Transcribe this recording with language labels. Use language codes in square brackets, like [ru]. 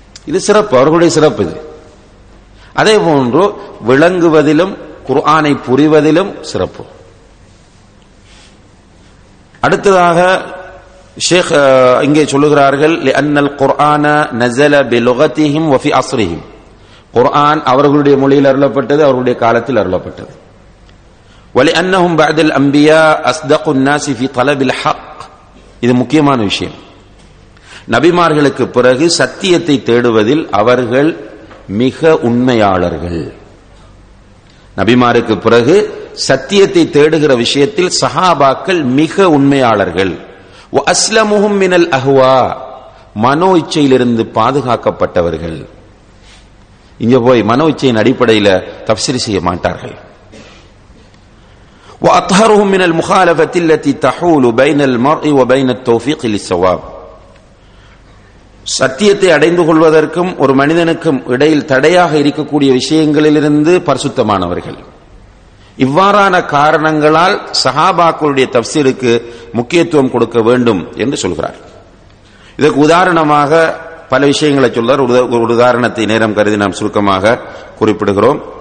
[ta] இது சிறப்பு, அவர்களுடைய சிறப்பு இது. அதே போன்று விளங்குவதிலும் குர்ஆனை புரிவதிலும் சிறப்பு. அடுத்ததாக ஷேக் இங்கே சொல்லுகிறார்கள், குர்ஆன் அவர்களுடைய மொழியில் அருளப்பட்டது, அவர்களுடைய காலத்தில் அருளப்பட்டது. [ar] ولأنهم بعد الأنبياء أصدق الناس في طلب الحق. [ta] இது முக்கியமான விஷயம். நபிமார்களுக்கு பிறகு சத்தியத்தை தேடுவதில் அவர்கள் மிக உண்மையாளர்கள். நபிமாருக்கு பிறகு சத்தியத்தை தேடுகிற விஷயத்தில் சஹாபாக்கள் மிக உண்மையாளர்கள். [ar] அஸ்லமுஹும் மினல் அஹ்வா, [ta] மனோ இச்சையிலிருந்து பாதுகாக்கப்பட்டவர்கள். இங்க போய் மனோ இச்சையின் அடிப்படையில் தஃப்ஸீர் செய்ய மாட்டார்கள். [ar] وأطهرهم من المخالفة التي تحول بين المرء وبين التوفيق للصواب. [ta] சத்தியத்தை அடைந்து கொள்வதற்கும் ஒரு மனிதனுக்கும் இடையில் தடையாக இருக்கக்கூடிய விஷயங்களிலிருந்து பரிசுத்தமானவர்கள். இவ்வாறான காரணங்களால் சஹாபாக்களுடைய தஃப்ஸீருக்கு முக்கியத்துவம் கொடுக்க வேண்டும் என்று சொல்கிறார். இதற்கு உதாரணமாக பல விஷயங்களை சொல்றார். ஒரு உதாரணத்தை நேரம் கருதி நாம் சுருக்கமாக குறிப்பிடுகிறோம்.